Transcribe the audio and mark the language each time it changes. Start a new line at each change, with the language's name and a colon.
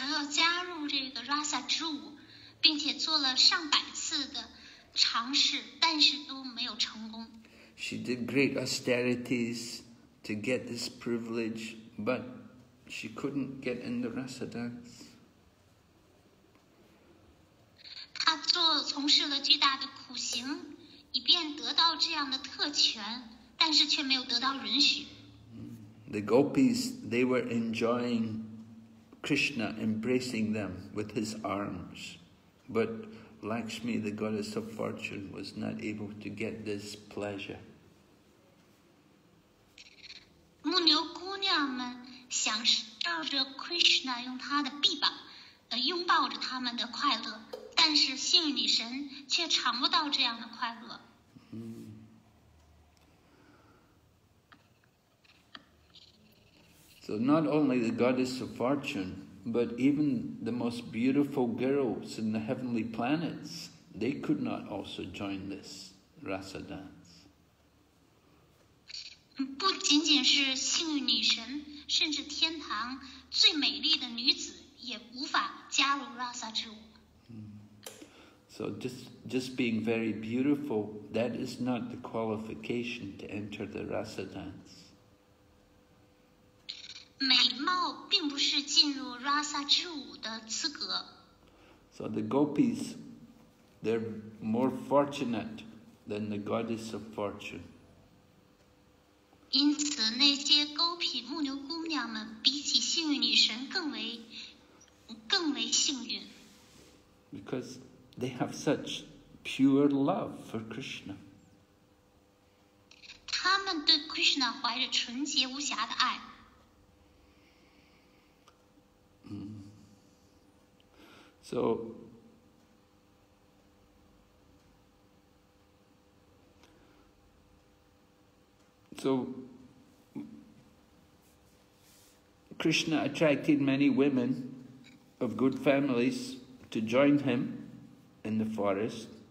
Chinese: 加入这个 Rasa 之舞，并且做了上百次的尝试，但是都没有成功。
English: She did great austerities to get this privilege, but she couldn't get in the Rasa dance.
Chinese: 她从事了巨大的苦行，以便得到这样的特权，但是却没有得到允许。
English: The gopis, they were enjoying. Krishna embracing them with his arms, but Lakshmi, the goddess of fortune, was not able to get this pleasure.
Chinese: 牧牛姑娘们享受着 Krishna 用他的臂膀，拥抱着他们的快乐，但是幸运女神却尝不到这样的快乐。
English: So not only the goddess of fortune, but even the most beautiful girls in the heavenly planets, they could not also join this rasa dance.
Chinese: 不仅仅是幸运女神，甚至天堂最美丽的女子也无法加入 rasa 之舞。
English: So just being very beautiful, that is not the qualification to enter the rasa dance.
Chinese: 美貌并不是进入 Rasa 之舞的资格。
English: So the gopis, they're more fortunate than the goddess of fortune.
Chinese: 因此，那些 gopi 牧牛姑娘们比起幸运女神更为幸运。
English: Because they have such pure love for Krishna.
Chinese: 她们对 Krishna 怀着纯洁无瑕的爱。
English: So, Krishna attracted many women of good families to join him in the forest.